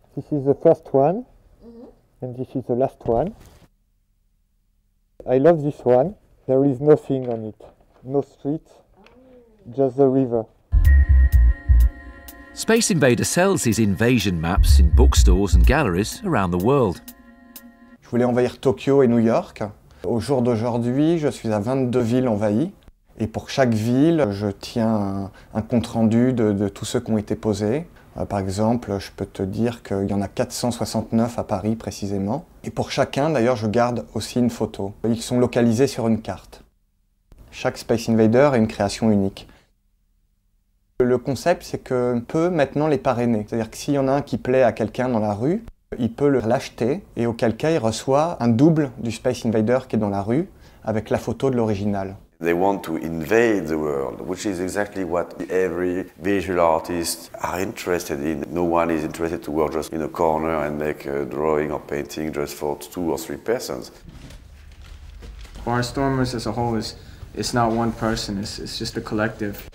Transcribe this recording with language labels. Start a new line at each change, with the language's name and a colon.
English: This is the first one, and this is the last one. I love this one. There is nothing on it. No street, just the river. Space Invader sells his invasion maps in bookstores and galleries around the world.
French: Je voulais envahir Tokyo et New York. Au jour d'aujourd'hui, je suis à 22 villes envahies. Et pour chaque ville, je tiens un compte-rendu de tous ceux qui ont été posés. Par exemple, je peux te dire qu'il y en a 469 à Paris, précisément. Et pour chacun, d'ailleurs, je garde aussi une photo. Ils sont localisés sur une carte. Chaque Space Invader est une création unique. Le concept, c'est qu'on peut maintenant les parrainer. C'est-à-dire que s'il y en a un qui plaît à quelqu'un dans la rue, il peut l'acheter et auquel cas il reçoit un double du Space Invader qui est dans la rue avec la photo de l'original.
English: They want to invade the world, which is exactly what every visual artist are interested in. No one is interested to work just in a corner and make a drawing or painting just for two or three persons. Barnstormers as a whole is, it's not one person, it's just a collective.